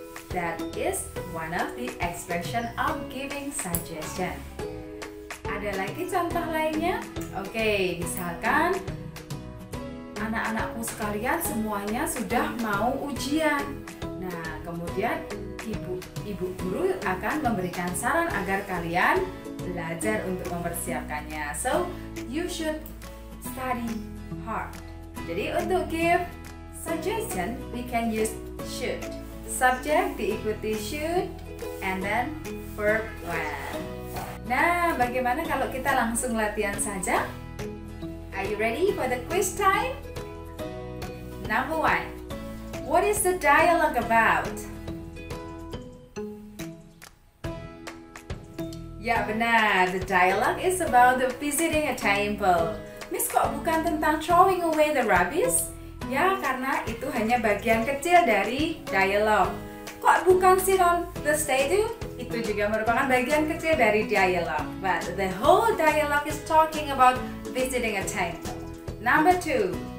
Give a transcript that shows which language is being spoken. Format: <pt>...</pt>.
<en>That is one of the expression of giving suggestion.</en> <id>Ada lagi contoh lainnya? Oke, misalkan anak-anakku sekalian semuanya sudah mau ujian. Nah, kemudian ibu guru akan memberikan saran agar kalian belajar untuk mempersiapkannya.</id> <en>So, you should study hard.</en> <id>Jadi, untuk</id> <en>give suggestion, we can use should. Subject</en> <id>diikuti</id> <en>should, and then verb one.</en> <id>Nah, bagaimana kalau kita langsung latihan saja?</id> <en>Are you ready for the quiz time? Number one, what is the dialogue about?</en> <id>Ya benar,</id> <en>the dialogue is about the visiting a temple.</en> <id>Miss, kok bukan tentang</id> <en>throwing away the rubbish?</en> <id>Ya, karena itu hanya bagian kecil dari dialogue. Kok bukan</id> <en>sit on the statue?</en> <id>Itu juga merupakan bagian kecil dari dialog.</id> <en>But the whole dialogue is talking about visiting a temple. Number 2.</en>